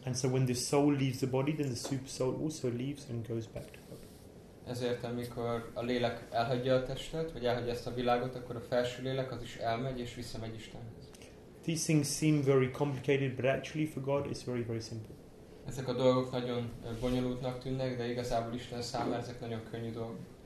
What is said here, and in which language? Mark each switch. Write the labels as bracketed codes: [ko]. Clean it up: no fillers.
[en] And so when the soul leaves the body, then the super soul also leaves and goes back to God. [hu] Ezért, amikor a lélek elhagyja a testet, vagy elhagyja ezt a világot, akkor a felső lélek az is elmegy, és visszamegy Istenhez. [en] These things seem very complicated, but actually for God it's very, very simple. [hu] Ezek a dolgok nagyon bonyolultnak tűnnek, de igazából Isten számára ezek nagyon könnyű dolgok.